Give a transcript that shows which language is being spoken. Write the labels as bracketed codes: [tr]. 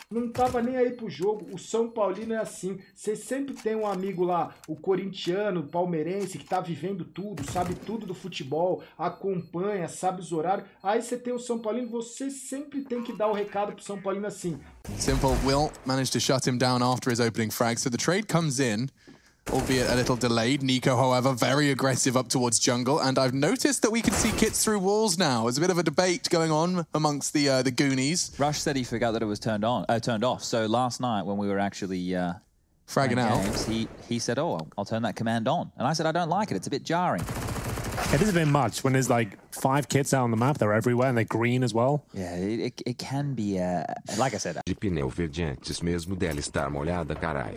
[pt] Não tava nem aí pro jogo. O São Paulino é assim. Você sempre tem um amigo lá, o corintiano, o palmeirense, que tá vivendo tudo, sabe tudo do futebol, acompanha, sabe os horários. Aí você tem o São Paulino, você sempre tem que dar o recado pro São Paulino assim. [en] Simple will manage to shut him down after his opening frag. So the trade comes in, albeit a little delayed. NiKo, however, very aggressive up towards jungle. And I've noticed that we can see kits through walls now. There's a bit of a debate going on amongst the goonies. Rush said he forgot that it was turned on, turned off. So last night when we were actually fragging out, games, he said, oh, I'll turn that command on. And I said, I don't like it. It's a bit jarring. It is a bit much when there's like 5 kits out on the map. They're everywhere and they're green as well. Yeah, it can be, like I said. [pt] De pneu verde antes mesmo dela estar molhada, carai.